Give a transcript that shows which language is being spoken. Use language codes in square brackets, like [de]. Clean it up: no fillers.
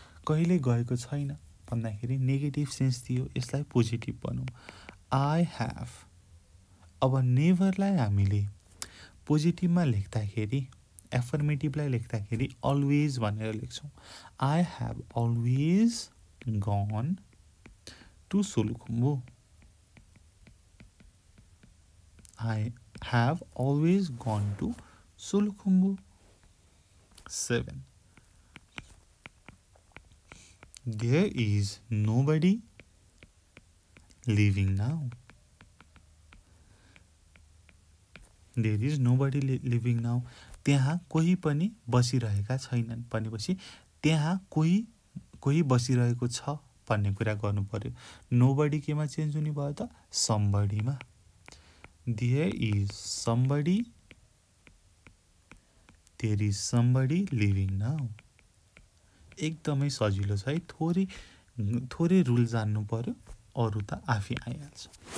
[ne] कहिल्यै गएको छैन भन्दाखेरि नेगेटिभ सेन्स थियो, यसलाई पोजिटिभ भनौँ। [en] I have, [ne] अब नेभरलाई हामीले पोजिटिभमा लेख्दाखेरि, एफर्मेटिभलाई लेख्दाखेरि अलवेज भनेर लेख्छौँ। [en] I have always gone to Solukhumbu, I have always gone to Solukhumbu. Seven, there is nobody living now, [ne] there is nobody living now, त्यहाँ कोही पनि बसिरहेका छैनन् भनेपछि त्यहाँ कोही बसिरहेको छ भन्ने कुरा गर्नु पऱ्यो। नोबडी केमा चेन्ज हुने भयो त, समबडीमा। [en] there is somebody, there is somebody living now, [ne] एकदमै सजिलो छ, है। थोरै रुल जान्नु पऱ्यो, अरू त आफै आइहाल्छ।